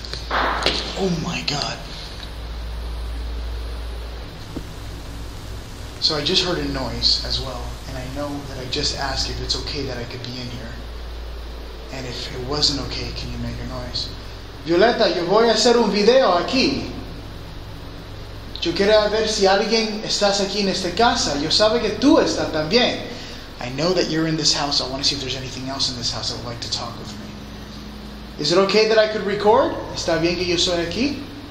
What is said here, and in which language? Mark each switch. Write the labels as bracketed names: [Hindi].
[English] Oh my God. So I just heard a noise as well, and I know that I just asked if it's okay that I could be in here. And if it wasn't okay, can you make a noise? [Spanish] Violeta, yo voy a hacer un video aquí. Yo quiero ver si alguien estás aquí en esta casa. Yo sabe que tú estás también. [English] I know that you're in this house. I want to see if there's anything else in this house that would like to talk with me. Is it okay that I could record? [Spanish] Está bien que yo soy aquí?